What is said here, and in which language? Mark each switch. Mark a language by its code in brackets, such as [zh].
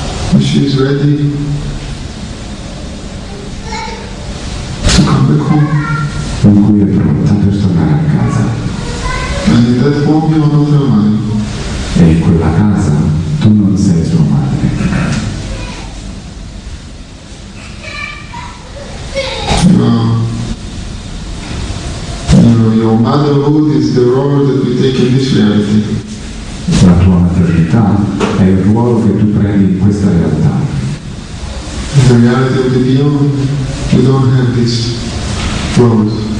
[en] When she is ready to come back home. [it] In cui è pronta per tornare a casa. [en] And in that home you are not your mother. [it] E in quella casa tu non sei sua madre. [en] Your motherhood is the role that we take in this reality. [it] La tua maternità è il ruolo che tu prendi in questa realtà. [en] In the reality of the beyond, we don't have these roles.